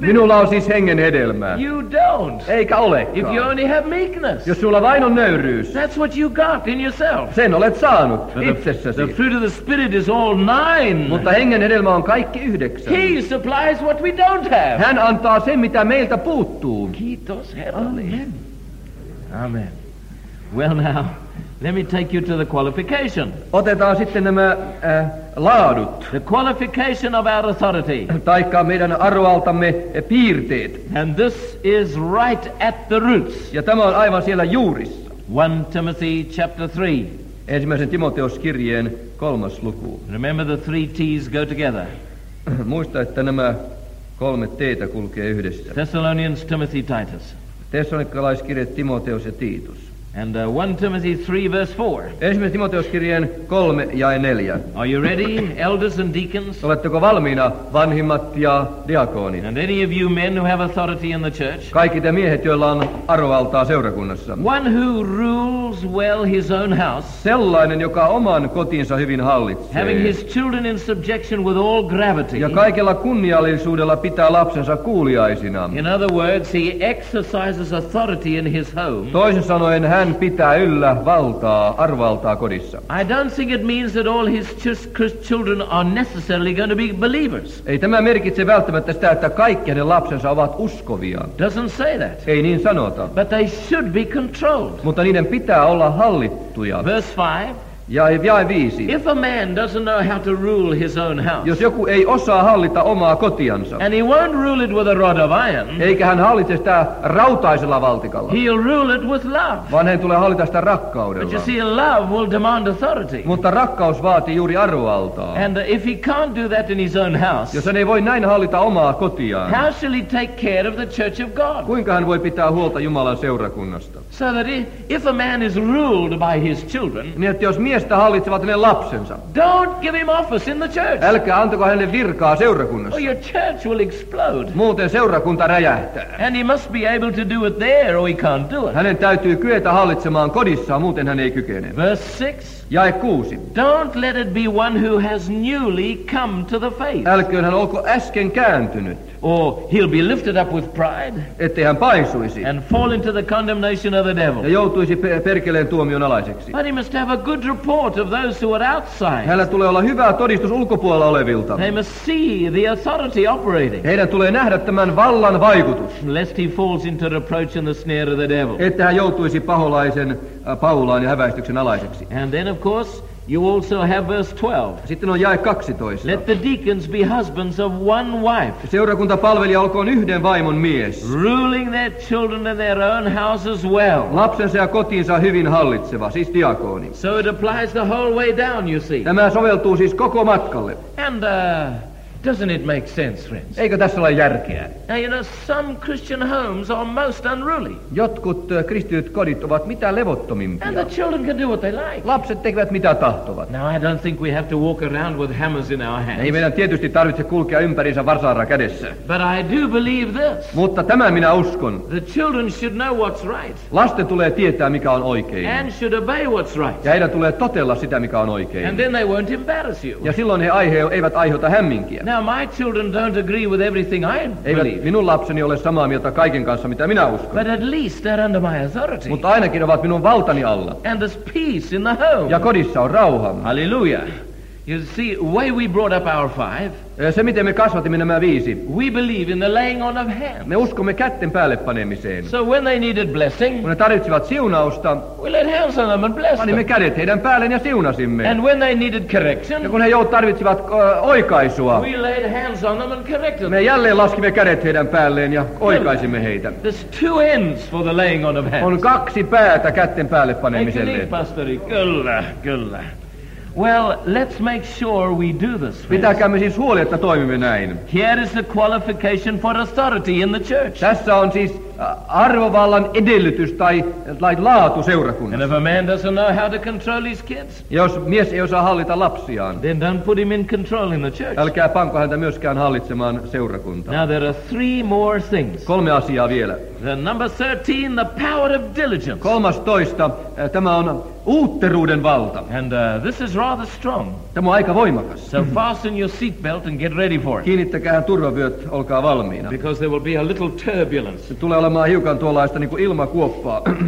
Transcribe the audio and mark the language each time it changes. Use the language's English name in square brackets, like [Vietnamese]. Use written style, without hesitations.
[Finnish] Minulla on siis hengen hedelmää. [English] You don't. [Finnish] Eikä olekaan. [English] If you only have meekness. [Finnish] Jos sulla vain on nöyryys. [English] That's what you got in yourself. [Finnish] Sen olet saanut itsessäsi. [English] The fruit of the Spirit is all nine. [Finnish] Mutta hengen hedelmä on kaikki yhdeksän. [English] He supplies what we don't have. [Finnish] Hän antaa sen, mitä meiltä puuttuu. Kiitos Herralle. Amen. Amen. [English] Well now, let me take you to the qualification. [Finnish] Otetaan sitten nämä laadut. [English] The qualification of our authority. [Finnish] Taikka meidän arvoaltamme piirteet. [English] And this is right at the roots. [Finnish] Ja tämä on aivan siellä juurissa. [English] 1 Timothy chapter 3. [Finnish] Ensimmäisen Timoteus-kirjeen kolmas luku. [English] Remember the three T's go together. [Finnish] Muista, että nämä kolme T:tä kulkee yhdessä. [English] Thessalonians, Timothy, Titus. [Finnish] Thessalonikkalaiskirje, Timoteus ja Tiitus. [English] And 1 Timothy 3 verse 4. [Finnish] Ensimmäisen Timoteuskirjeen 3 ja 4. [English] Are you ready, elders and deacons? [Finnish] Oletteko valmiina, vanhimmat ja diakonit? [English] And any of you men who have authority in the church? [Finnish] Kaikki te miehet, joilla on arvovaltaa seurakunnassa. [English] One who rules well his own house. [Finnish] Sellainen, joka oman kotinsa hyvin hallitsee. [English] Having his children in subjection with all gravity. [Finnish] Ja kaikella kunniallisuudella pitää lapsensa kuuliaisina. [English] In other words, he exercises authority in his home. [Finnish] Toisin sanoen, hän pitää yllä valtaa, arvovaltaa kodissa. [English] I don't think it means that all his children are necessarily going to be believers. [Finnish] Ei tämä merkitse välttämättä sitä, että kaikki hänen lapsensa ovat uskovia. [English] Doesn't say that. [Finnish] Ei niin sanota. [English] But they should be controlled. [Finnish] Mutta niiden pitää olla hallittuja. [English] Verse 5. [Finnish] Jae 5. [English] If a man doesn't know how to rule his own house. [Finnish] Jos joku ei osaa hallita omaa kotiansa. [English] And he won't rule it with a rod of iron. [Finnish] Eikä hän hallitse sitä rautaisella valtikalla. [English] He'll rule it with love. [Finnish] Vaan hän tulee hallita sitä rakkaudella. [English] But you see, love will demand authority. [Finnish] Mutta rakkaus vaatii juuri arvovaltaa. [English] And if he can't do that in his own house. [Finnish] Jos hän ei voi näin hallita omaa kotiaan. [English] How shall he take care of the church of God? [Finnish] Kuinka hän voi pitää huolta Jumalan seurakunnasta? [English] So that if a man is ruled by his children. [Finnish] Niin että jos mies hallitsevat ne lapsensa. [English] Don't give him office in the church. [Finnish] Älkää antako hänelle virkaa seurakunnassa. [English] Or your church will explode. [Finnish] Muuten seurakunta räjähtää. [English] And he must be able to do it there or he can't do it. [Finnish] Hänen täytyy kyetä hallitsemaan kodissa, muuten hän ei kykene. [English] Verse 6. [Finnish] Jae 6. [English] Don't let it be one who has newly come to the faith. [Finnish] Älköön hän olko äsken kääntynyt. [English] Or he'll be lifted up with pride. [Finnish] Ettei hän paisuisi. [English] And fall into the condemnation of the devil. [Finnish] Ja joutuisi perkeleen tuomion alaiseksi. [English] But he must have a good report of those who are outside. [Finnish] Hänellä tulee olla hyvä todistus ulkopuolella olevilta. [English] They must see the authority operating. [Finnish] Heidän tulee nähdä tämän vallan vaikutus. [English] Lest he falls into reproach and the snare of the devil. [Finnish] Ettei hän joutuisi paholaisen paulaan ja häväistyksen alaiseksi. [English] And then of course, you also have verse 12. [Finnish] Sitten on jae 12. [English] Let the deacons be husbands of one wife. [Finnish] Seurakuntapalvelija olkoon yhden vaimon mies. [English] Ruling their children and their own houses well. [Finnish] Lapsensa ja kotiinsa hyvin hallitseva, siis diakoni. [English] So it applies the whole way down, you see. [Finnish] Tämä soveltuu siis koko matkalle. [English] And doesn't it make sense, friends? [Finnish] Eikö tässä ole järkeä? [English] Now, you know, some Christian homes are most unruly. [Finnish] Jotkut kristityt kodit ovat mitä levottomimpia. [English] And the children can do what they like. [Finnish] Lapset tekevät mitä tahtovat. [English] Now, I don't think we have to walk around with hammers in our hands. [Finnish] Ei meidän tietysti tarvitse kulkea ympäriinsä varsaara kädessä. [English] But I do believe this. [Finnish] Mutta tämän minä uskon. [English] The children should know what's right. [Finnish] Lasten tulee tietää, mikä on oikein. [English] And should obey what's right. [Finnish] Ja heidän tulee totella sitä, mikä on oikein. [English] And then they won't embarrass you. [Finnish] Ja silloin he eivät aiheuta hämminkiä. [English] Now my children don't agree with everything I believe. [Finnish] Eivät minun lapseni ole samaa mieltä kaiken kanssa, mitä minä uskon. [English] But at least they're under my authority. [Finnish] Mutta ainakin ovat minun valtani alla. [English] And there's peace in the home. [Finnish] Ja kodissa on rauha. [English] Hallelujah. You see, way we brought up our five. [Finnish] Se, miten me kasvatimme nämä viisi. [English] We believe in the laying on of hands. [Finnish] Me uskomme kätten päälle panemiseen. [English] So when they needed blessing, [Finnish] kun ne tarvitsivat siunausta, [English] we laid hands on them and blessed [Finnish] panimme [English] them. [Finnish] Kädet heidän päälleen ja siunasimme. [English] And when they needed correction, [Finnish] ja kun he tarvitsivat oikaisua, [English] we laid hands on them and corrected them. [Finnish] Me jälleen laskimme kädet heidän päälleen ja oikaisimme heitä. [English] There's two ends for the laying on of hands. [Finnish] On kaksi päätä kätten päälle panemiselle. Eikö niin, pastori? Kyllä, kyllä. [English] Well, let's make sure we do this. [Finnish] Pitäkäämme siis huoli, että toimimme näin. [English] Here is the qualification for authority in the church. [Finnish] Tässä on siis arvovallan edellytys tai laatu seurakunnassa. [English] And if a man doesn't know how to control his kids? [Finnish] Jos mies ei osaa hallita lapsiaan. [English] Then don't put him in control in the church. [Finnish] Älkää panko häntä myöskään hallitsemaan seurakuntaa. [English] Now there are three more things. [Finnish] Kolme asiaa vielä. [English] The number 13, the power of diligence. [Finnish] 13, tämä on uutteruuden valta. [English] And this is rather strong. [Finnish] Tämä on aika voimakas. [English] So fasten your seatbelt and get ready for it. [Finnish] Kiinnittäkää turvavyöt, olkaa valmiina. [English] Because there will be a little turbulence. [Finnish] Tulee olemaan hiukan tuollaista niin kuin ilmakuoppaa.